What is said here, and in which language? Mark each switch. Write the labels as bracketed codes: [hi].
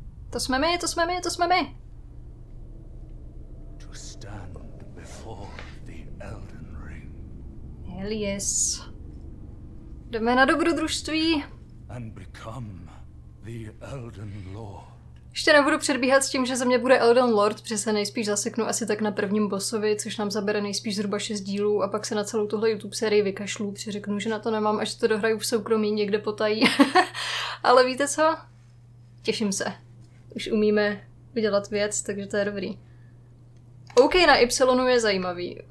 [cs] To jsme my, to jsme my, to jsme my. [en] To stand before the Elden Ring. Hell yes. [cs] Jdeme na dobrodružství. [en] And become the Elden Lord. [cs] Ještě nebudu předbíhat s tím, že ze mě bude Elden Lord, protože se nejspíš zaseknu asi tak na prvním bossovi, což nám zabere nejspíš zhruba 6 dílů a pak se na celou tuhle YouTube sérii vykašlu, přiřeknu, že na to nemám, až to dohraju v soukromí někde potají. Ale víte co? Těším se. Už umíme udělat věc, takže to je dobrý. OK na Ypsilonu je zajímavý.